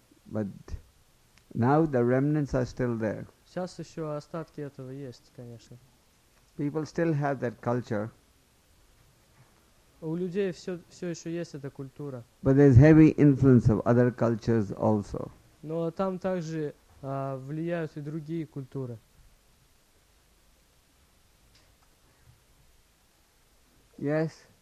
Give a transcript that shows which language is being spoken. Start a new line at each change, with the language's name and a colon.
English: But now the remnants are still there.
Russian: Сейчас еще остатки этого есть, конечно.
English: People still have that culture.
Russian: У людей все еще есть эта культура.
English: But there's heavy influence of other cultures also.
Russian: Но там также влияют и другие культуры. Yes.